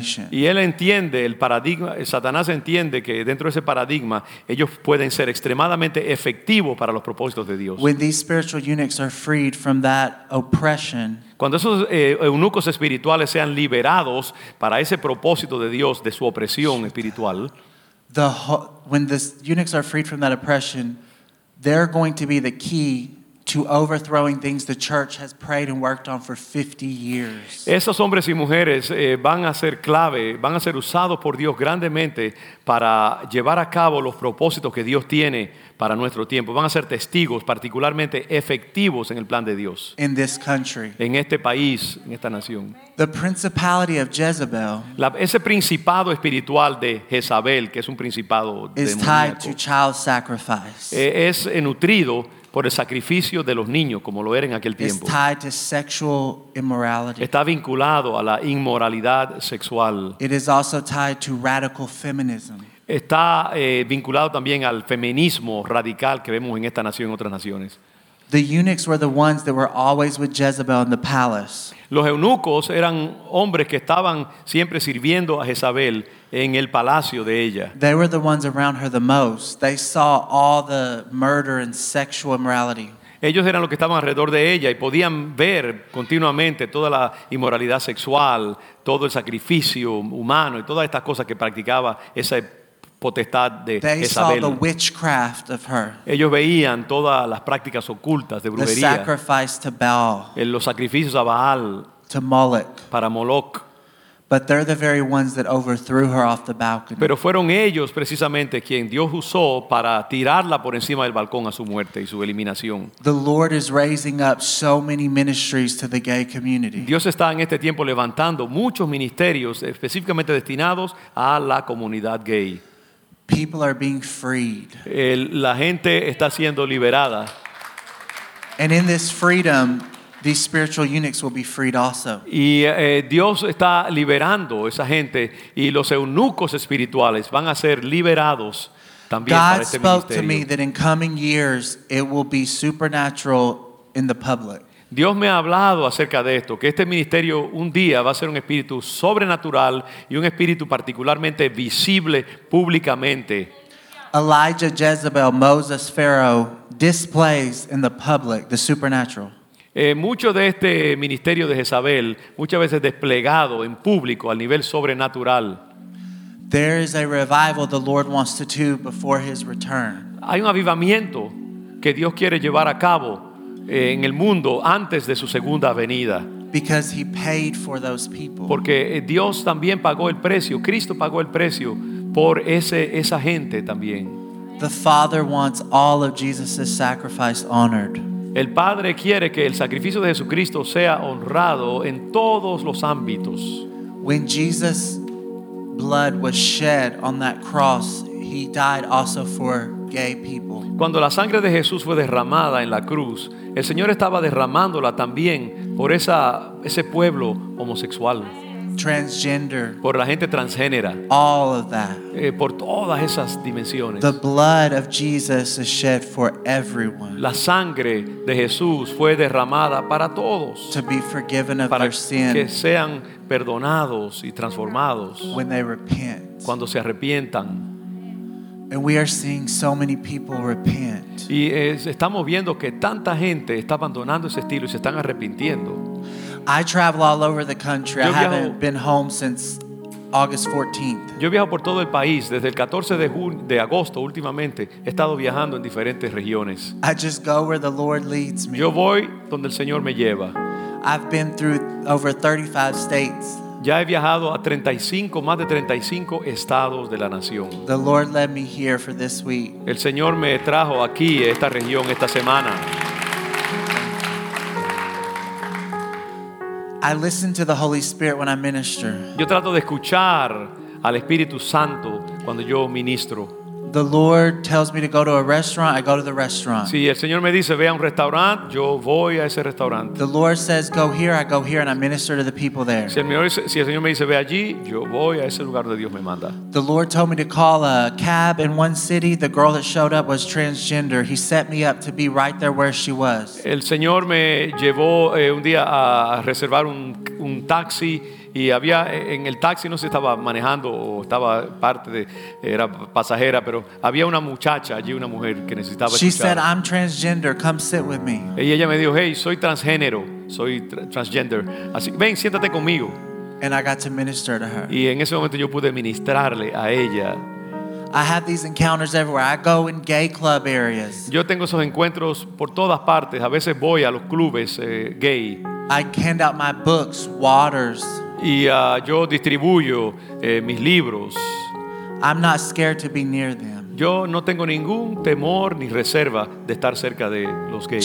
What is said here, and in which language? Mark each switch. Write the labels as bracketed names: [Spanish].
[Spanish] Y él entiende el paradigma, Satanás entiende que dentro de ese paradigma ellos pueden ser extremadamente efectivos para los propósitos de Dios. [English] When these spiritual eunuchs are freed from that oppression, [Spanish] cuando esos eunucos espirituales sean liberados para ese propósito de Dios, de su opresión espiritual, [English] when the eunuchs are freed from that oppression, they're going to be the key to overthrowing things the church has prayed and worked on for 50 years. [Spanish] Esos hombres y mujeres van a ser clave, van a ser usados por Dios grandemente para llevar a cabo los propósitos que Dios tiene para nuestro tiempo. Van a ser testigos particularmente efectivos en el plan de Dios. [English] In this country. [Spanish] En este país, en esta nación. [English] The principality of Jezebel. [Spanish] Ese principado espiritual de Jezabel, que es un principado demoníaco. [English] Is tied to child sacrifice. [Spanish] Es nutrido por el sacrificio de los niños, como lo era en aquel tiempo. [English] It's tied to sexual immorality. [Spanish] Está vinculado a la inmoralidad sexual. [English] It is also tied to radical feminism. [Spanish] Está vinculado también al feminismo radical que vemos en esta nación y en otras naciones. [English] The eunuchs were the ones that were always with Jezebel in the palace. [Spanish] Los eunucos eran hombres que estaban siempre sirviendo a Jezabel en el palacio de ella. [English] They were the ones around her the most. They saw all the murder and sexual immorality. [Spanish] Ellos eran los que estaban alrededor de ella y podían ver continuamente toda la inmoralidad sexual, todo el sacrificio humano y todas estas cosas que practicaba esa potestad de [English] they [Spanish] Jezabel. [English] Saw the witchcraft of her. [Spanish] Ellos veían todas las prácticas ocultas de brujería. [English] The sacrifice to Baal. [Spanish] En los sacrificios a Baal. [English] To Moloch. [Spanish] Para Moloch. [English] But they're the very ones that overthrew her off the balcony. [Spanish] Pero fueron ellos precisamente quien Dios usó para tirarla por encima del balcón a su muerte y su eliminación. [English] The Lord is raising up so many ministries to the gay community. [Spanish] Dios está en este tiempo levantando muchos ministerios específicamente destinados a la comunidad gay. [English] People are being freed. [Spanish] La gente está siendo liberada. [English] And in this freedom, these spiritual eunuchs will be freed also. [Spanish] Y Dios está liberando esa gente y los eunucos espirituales van a ser liberados también para este ministerio. [English] God spoke to me that in coming years it will be supernatural in the public. [Spanish] Dios me ha hablado acerca de esto, que este ministerio un día va a ser un espíritu sobrenatural y un espíritu particularmente visible públicamente. [English] Elijah, Jezebel, Moses, Pharaoh displays in the public the supernatural. [Spanish] Mucho de este ministerio de Jezabel, muchas veces desplegado en público al nivel sobrenatural. [English] There is a revival the Lord wants to do before his return. [Spanish] Hay un avivamiento que Dios quiere llevar a cabo en el mundo antes de su segunda venida. [English] Because he paid for those people. [Spanish] Porque Dios también pagó el precio, Cristo pagó el precio por esa gente también. [English] The Father wants all of Jesus' sacrifice honored. [Spanish] El Padre quiere que el sacrificio de Jesucristo sea honrado en todos los ámbitos. [English] When Jesus' blood was shed on that cross, he died also for gay people. [Spanish] Cuando la sangre de Jesús fue derramada en la cruz, el Señor estaba derramándola también por esa, ese pueblo homosexual. [English] Transgender. [Spanish] Por la gente transgénera. [English] All of that. [Spanish] Por todas esas dimensiones. [English] The blood of Jesus is shed for everyone. [Spanish] La sangre de Jesús fue derramada para todos. [English] To be forgiven of [Spanish] para [English] their sin. [Spanish] Que sean perdonados y transformados. [English] When they repent. [Spanish] Cuando se arrepientan. [English] And we are seeing so many people repent. [Spanish] Y estamos viendo que tanta gente está abandonando ese estilo y se están arrepintiendo. [English] I travel all over the country. I haven't been home since August 14th. [Spanish] Yo viajo por todo el país desde el 14 de agosto últimamente. He estado viajando en diferentes regiones. [English] I just go where the Lord leads me. [Spanish] Yo voy donde el Señor me lleva. [English] I've been through over 35 states. [Spanish] Ya he viajado a 35, más de 35 estados de la nación. [English] The Lord led me here for this week. [Spanish] El Señor me trajo aquí a esta región esta semana. [English] I listen to the Holy Spirit when I minister. [Spanish] Yo trato de escuchar al Espíritu Santo cuando yo ministro. [English] The Lord tells me to go to a restaurant, I go to the restaurant. [Spanish] Si el Señor me dice ve a un restaurante, yo voy a ese restaurante. [English] The Lord says go here, I go here and I minister to the people there. [Spanish] Si el Señor me dice ve allí, yo voy a ese lugar donde Dios me manda. [English] The Lord told me to call a cab in one city, the girl that showed up was transgender. He set me up to be right there where she was. [Spanish] El Señor me llevó un día a reservar un taxi. Y había en el taxi, no se estaba manejando o estaba parte de, era pasajera, pero había una muchacha allí, una mujer que necesitaba escuchar. [English] She said, I'm transgender, come sit with me. [Spanish] Y ella me dijo, hey, soy transgénero, soy transgender. Así, ven, siéntate conmigo. [English] And I got to minister to her. [Spanish] Y en ese momento yo pude ministrarle a ella. [English] I have these encounters everywhere. I go in gay club areas. [Spanish] Yo tengo esos encuentros por todas partes. A veces voy a los clubes gay. [English] I hand out my books, waters. [Spanish] Y yo distribuyo mis libros. [English] I'm not scared to be near them. [Spanish] Yo no tengo ningún temor ni reserva de estar cerca de los gays.